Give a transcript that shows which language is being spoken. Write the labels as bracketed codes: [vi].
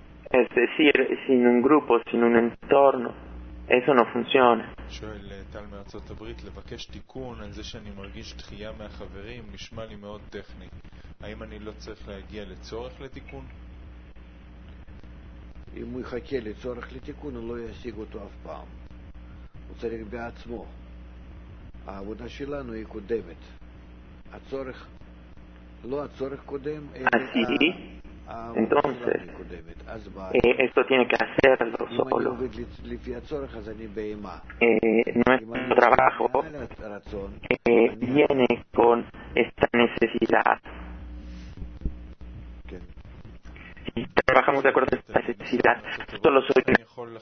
[es] Es decir, sin un grupo, sin un entorno, eso no funciona. [he] שואל טל מארצות הברית, לבקש תיקון על זה שאני מרגיש דחייה מהחברים, נשמע לי מאוד טכני. האם אני לא צריך להגיע לצורך לתיקון? אם הוא יחכה לצורך לתיקון, הוא לא ישיג אותו אף פעם. צריך בעצמו. העבודה שלנו היא קודמת. הצורך, לא הצורך קודם, אלא העבודה קודמת. אז בעצמך. אם אני עובד לפי הצורך, אז אני באימה. אם אני עובד על הרצון, [es] viene con esta necesidad. Si trabajamos de acuerdo a esta necesidad, solo soy una